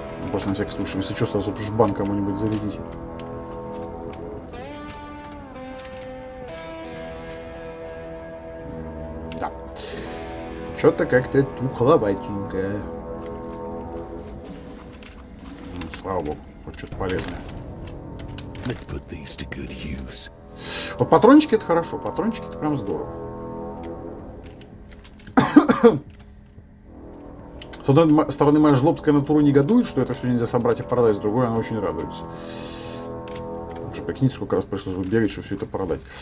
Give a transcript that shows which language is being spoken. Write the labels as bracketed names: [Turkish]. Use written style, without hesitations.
[Russian] Просто на всякий случай, если что, сразу в жбан кому-нибудь зарядить. Что-то как-то тухловатенько. Ну, слава богу, вот что-то полезное. [English] Let's put these to good use. [Russian] Вот патрончики — это хорошо, патрончики — это прям здорово. С одной стороны, моя жлобская натура негодует, что это все нельзя собрать и продать, с другой она очень радуется. Уже прикиньте, сколько раз пришлось бы бегать, чтобы все это продать.